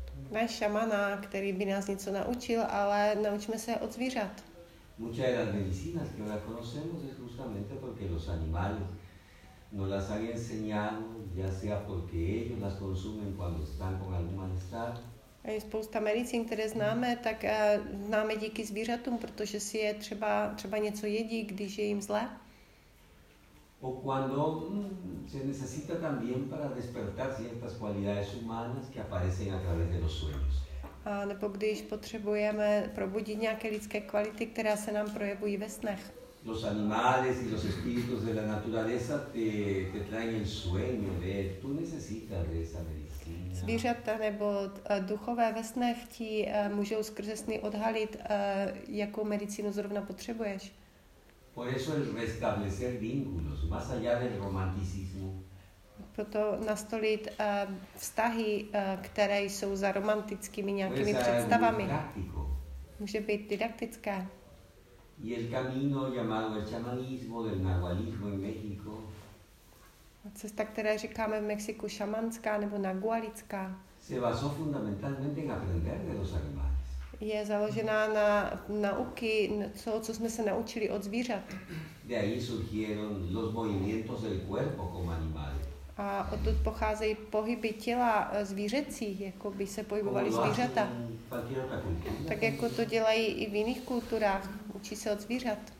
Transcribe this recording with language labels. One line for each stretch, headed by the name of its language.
Czech: Ne šamana, který by nás něco naučil, ale naučíme se od zvířat.
Spanish: Muchas de las medicinas que ahora conocemos es justamente porque los animales nos las han enseñado, ya sea porque ellos las consumen cuando están con algún malestar.
Czech: Hay spousta medicín, které známe, tak známe díky zvířatům, protože si je třeba něco jedí, když je jim zle.
Spanish: O cuando se necesita también para despertar ciertas cualidades humanas que aparecen a través de los sueños.
Czech: A nebo když potřebujeme probudit nějaké lidské kvality, které se nám projevují ve snech.
Spanish: Los animales y los espíritus de la naturaleza te traen el sueño, tú necesitas de esa medicina.
Czech: Zvířata nebo duchové ve snech ti můžou skrze sny odhalit, jakou medicínu zrovna potřebuješ.
Spanish: Por eso el restablecer vínculos, más allá del romanticismo.
Czech: Proto nastolit vztahy, které jsou za romantickými nějakými představami. Může být didaktické.
Spanish: Y el camino llamado el chamanismo del nahualismo en México.
Czech: Cesta, které říkáme v Mexiku šamanská nebo nahualická.
Spanish: Se basó fundamentalmente en aprender de los animales.
Czech: Je založená na nauky, co jsme se naučili od zvířat.
Spanish: De ahí surgieron los movimientos del cuerpo como animales.
Czech: A odtud pocházejí pohyby těla zvířecí, jako by se pohybovaly zvířata. Tak jako to dělají i v jiných kulturách, učí se od zvířat.